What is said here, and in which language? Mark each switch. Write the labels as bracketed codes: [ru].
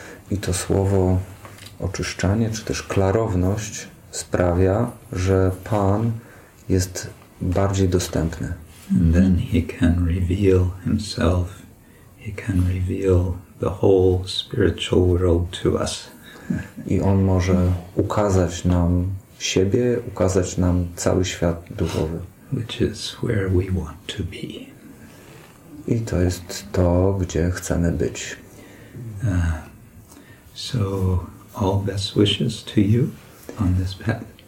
[pl] I to słowo oczyszczanie, czy też klarowność sprawia, że Pan jest bardziej dostępny. [en] And then he can reveal himself, he can reveal the whole spiritual world to us. [pl] I on może ukazać nam siebie, ukazać nam cały świat duchowy. [en] Which is where we want to be. [pl] I to jest to, gdzie chcemy być. [en] So all best wishes to you on this path.